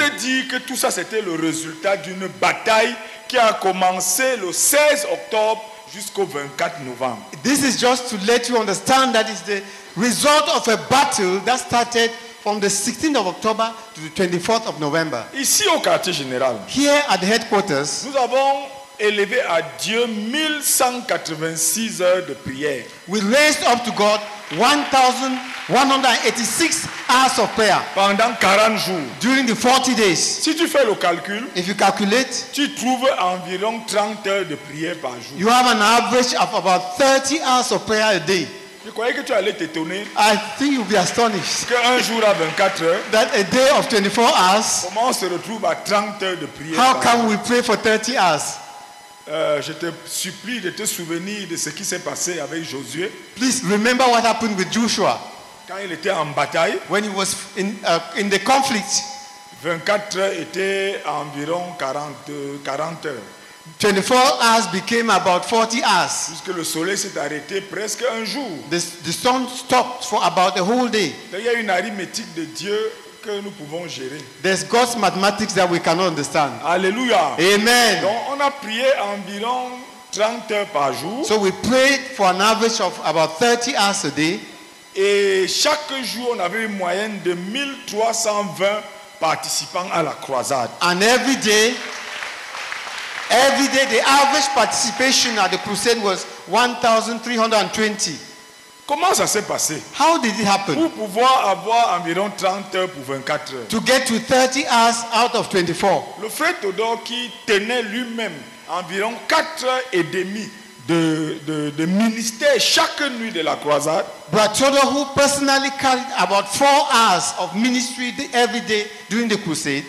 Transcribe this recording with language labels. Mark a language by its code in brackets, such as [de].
[fr] Pour te dire que tout ça c'était le résultat d'une bataille qui a commencé le 16 octobre jusqu'au 24 novembre. [en] This is just to let you understand that it's the result of a battle that started from the 16th of October to the 24th of November. [fr] Ici au quartier général, [en] here at the headquarters, [fr] nous avons élevé à Dieu 1186 heures de prière. [en] We raised up to God 1186 hours of prayer. [fr] Pendant 40 jours. [en] During the 40 days. [fr] Si tu fais le calcul, [en] if you calculate, [fr] tu trouves environ 30 heures de prière par jour. [en] You have an average of about 30 hours of prayer a day. [fr] Je croyais que tu allais t'étonner. [en] I think you'll be astonished. [fr] Qu'un jour à 24 heures. [en] That a day of 24 hours. [fr] Comment on se retrouve à 30 heures de prière? [en] How can we pray for 30 hours? [fr] Je te supplie de te souvenir de ce qui s'est passé avec Josué. [en] Please remember what happened with Joshua. [fr] Quand il était en bataille. [en] When he was in the conflict. [fr] 24 heures était environ 40 heures. [en] 24 hours became about 40 hours. [fr] Puisque le soleil s'est arrêté presque un jour. [en] The sun stopped for about a whole day. [fr] Il y a une arithmétique de Dieu que nous pouvons gérer. [en] There's God's mathematics that we cannot understand. [fr] Alléluia. Amen. Donc on a prié environ 30 heures par jour. [en] So we prayed for an average of about 30 hours a day. [fr] Et chaque jour on avait une moyenne de 1320 participants à la croisade. [en] And every day, the average participation at the crusade was 1,320. [fr] Comment ça s'est passé? [en] How did it happen? [fr] Pour pouvoir avoir environ 30 heures pour 24 heures. [en] To get to 30 hours out of 24. [fr] Le frère Todor qui tenait lui-même environ 4 heures et demie de ministère chaque nuit de la croisade. [en] Brad Todor, who personally carried about 4 hours of ministry every day during the crusade,